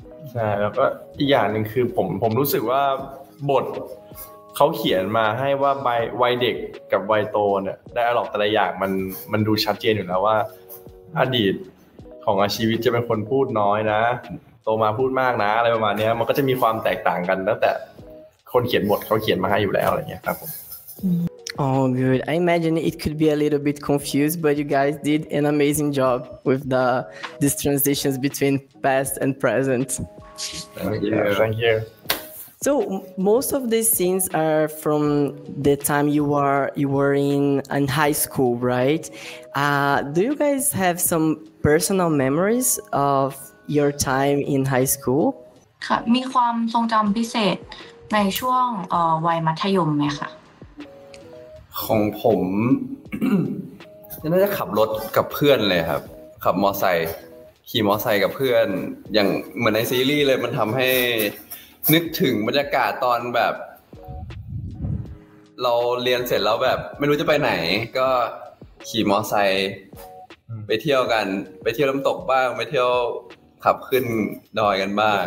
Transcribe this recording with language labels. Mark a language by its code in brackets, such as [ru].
[th] ใช่แล้วก็อีกอย่างหนึ่งคือผมรู้สึกว่าบทเขาเขียนมาให้ว่าวัยเด็กกับวัยโตเนี่ยได้อะไรแต่ละอย่างมันดูชัดเจนอยู่แล้วว่าอดีตของอาชีวิตจะเป็นคนพูดน้อยนะโตมาพูดมากนะอะไรประมาณนี้มันก็จะมีความแตกต่างกันตั้งแต่คนเขียนบทเขาเขียนมาให้อยู่แล้วอะไรเงี้ยครับผม [en] Oh good I imagine it could be a little bit confused but you guys did an amazing job with the these transitions between past and present Thank you So most of these scenes are from the time you were in high school right do you guys have some personal memories ofyour time in high school [th] ค่ะมีความทรงจำพิเศษในช่วงวัยมัธยมไหมคะ ของผมน่าจะขับรถกับเพื่อนเลยครับขับมอไซค์ขี่มอไซค์กับเพื่อนอย่างเหมือนในซีรีส์เลยมันทำให้นึกถึงบรรยากาศตอนแบบเราเรียนเสร็จแล้วแบบไม่รู้จะไปไหนก็ขี่มอไซค์ไปเที่ยวกันไปเที่ยวน้ำตกบ้างไปเที่ยวขับขึ้นดอยกันบ้าง